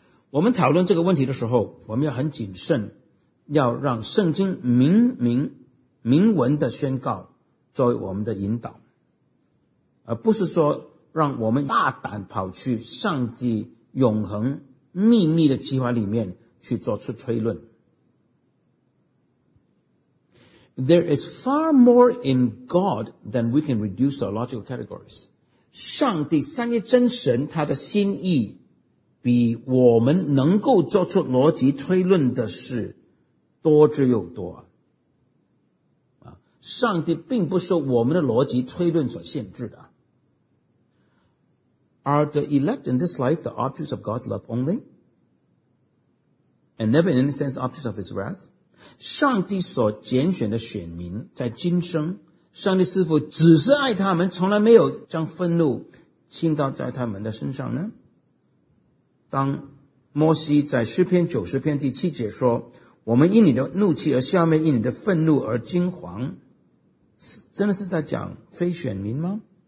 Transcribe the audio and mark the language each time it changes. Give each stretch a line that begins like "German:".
Chinese: 我们讨论这个问题的时候，我们要很谨慎，要让圣经明文的宣告作为我们的引导，而不是说让我们大胆跑去上帝永恒秘密的计划里面去做出推论。
English: There is far more in God than we can reduce to logical categories.
Chinese: 上帝三一真神他的心意比我们能够做出逻辑推论的事多之又多。上帝并不受我们的逻辑推论所限制的。
English: Are the elect in this life the objects of God's love only? And never in any sense objects of his wrath?
Chinese: 上帝所拣选的选民在今生，上帝是否只是爱他们，从来没有将愤怒倾倒在他们的身上呢？当摩西在诗篇九十篇第七节说，我们因你的怒气而消灭，因你的愤怒而惊惶，真的是在讲非选民吗？